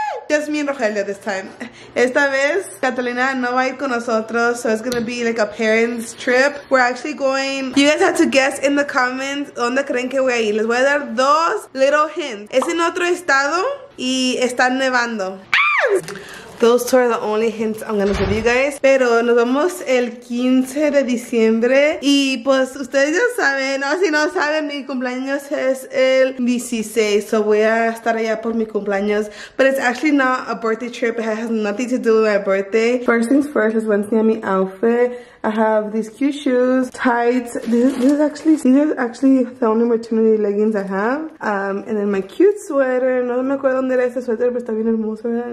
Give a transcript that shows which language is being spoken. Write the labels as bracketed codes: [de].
[en] Just me and Rogelio this time. [es] Esta vez, Catalina no va a ir con nosotros, [en] so it's gonna be like a parents trip. We're actually going, you guys have to guess in the comments [es] donde creen que voy a ir. Les voy a dar dos [en] little hints. [es] Es en otro estado y está nevando. [en] Those two are the only hints I'm gonna give you guys. [es] Pero nos vamos el 15 de diciembre. Y pues ustedes ya saben, o si no saben, mi cumpleaños es el 16. So voy a estar allá por mi cumpleaños. [en] But it's actually not a birthday trip. It has nothing to do with my birthday. First things first, let's see my outfit. I have these cute shoes, tights. These are actually the only maternity leggings I have. And then my cute sweater. [es] No me acuerdo dónde era ese suéter, pero está bien hermoso, ¿verdad?